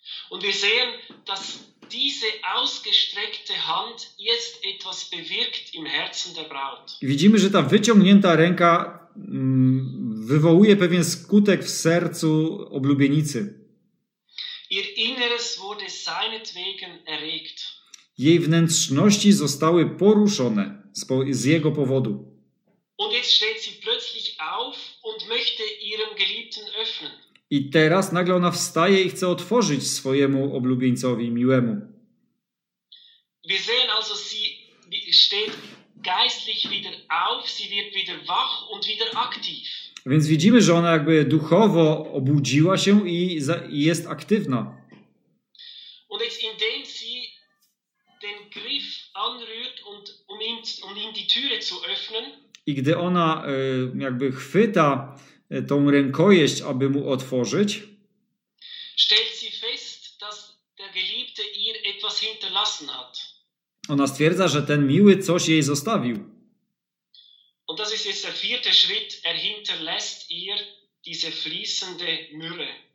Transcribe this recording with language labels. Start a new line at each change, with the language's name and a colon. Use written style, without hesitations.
German: Und wir sehen, dass diese ausgestreckte Hand jetzt etwas bewirkt im Herzen der Braut.
Polish: Widzimy, że ta wyciągnięta ręka wywołuje pewien skutek w sercu oblubienicy.
German: Ihr Inneres wurde seinetwegen erregt.
Polish: Jej wnętrzności zostały poruszone z jego powodu.
German: Und jetzt steht sie plötzlich auf und möchte ihrem Geliebten öffnen.
Polish: I teraz nagle ona wstaje i chce otworzyć swojemu oblubieńcowi, miłemu.
German: Wir sehen also, sie steht geistlich wieder auf, sie wird wieder wach und wieder aktiv.
Polish: Więc widzimy, że ona jakby duchowo obudziła się i jest aktywna.
German: Und jetzt, indem sie den Griff anrührt und um ihn die Türe zu öffnen.
Polish: I gdy ona jakby chwyta tą rękojeść, aby mu otworzyć,
German: stellt sie fest, dass der Geliebte ihr etwas hinterlassen hat.
Polish: Ona stwierdza, że ten miły coś jej zostawił.
German: Und das ist jetzt der vierte Schritt. Er hinterlässt ihr diese fließende Myrrhe.